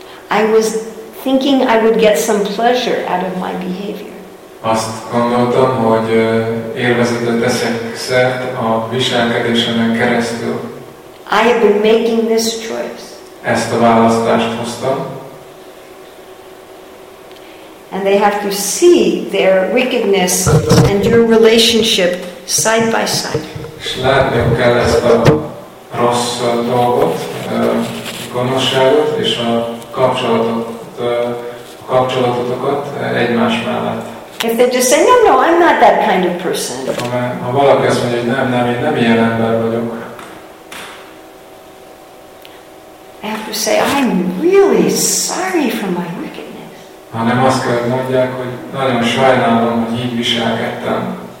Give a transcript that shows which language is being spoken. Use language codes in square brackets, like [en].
[en] I was thinking I would get some pleasure out of my behavior. [hu] Azt gondoltam, hogy élvezetet teszek szert a viselkedésemen keresztül. [en] I have been making this choice. [hu] Ezt a választást hoztam. [en] And they have to see their wickedness and your relationship side by side. [hu] És látniuk kell ezt a rossz dolgot, gonoszságot és a kapcsolatotokat egymás mellett. [en] If they just say, no, I'm not that kind of person. [hu] Ha valaki azt mondja, hogy nem, én nem ilyen ember vagyok. [en] I have to say, I'm really sorry for my wickedness. [hu] Hanem azt kell, hogy mondják, hogy nagyon sajnálom, hogy így viselkedtem.